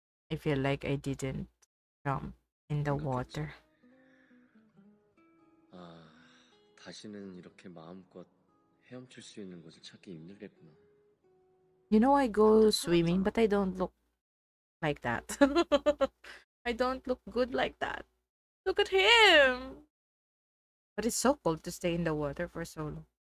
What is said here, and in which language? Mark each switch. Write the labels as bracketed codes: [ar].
[en] I feel like I didn't jump in the water. [ko] 아, 다시는 이렇게 마음껏 헤엄칠 수 있는 곳을 찾기 힘들겠구나. [en] You know, I go swimming, but I don't look like that. I don't look good like that. Look at him. But it's so cold to stay in the water for so long.